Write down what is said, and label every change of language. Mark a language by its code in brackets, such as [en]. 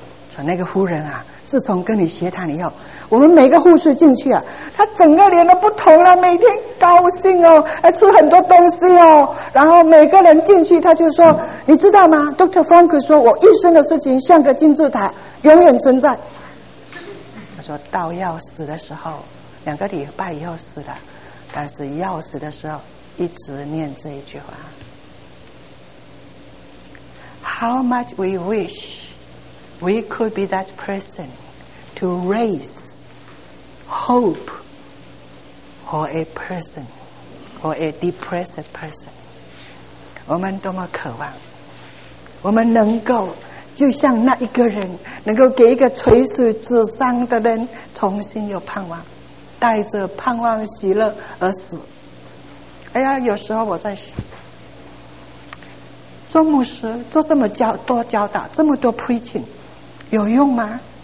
[zh] 说那个夫人啊，自从跟你协谈以后，我们每个护士进去啊，她整个脸都不同了，每天高兴哦，还出很多东西哦，然后每个人进去她就说，你知道吗 Dr. Frankl 说，我一生的事情像个金字塔永远存在。她说到要死的时候，两个礼拜以后死的，但是要死的时候一直念这一句话。 [en] How much we wish we could be that person to raise hope for a person or a depressed person. [zh] 我们多么渴望我们能够就像那一个人，能够给一个垂死沮丧的人重新有盼望，带着盼望喜乐而死。哎呀，有时候我在想，做牧师做这么教多教导，这么多 preaching 有用吗？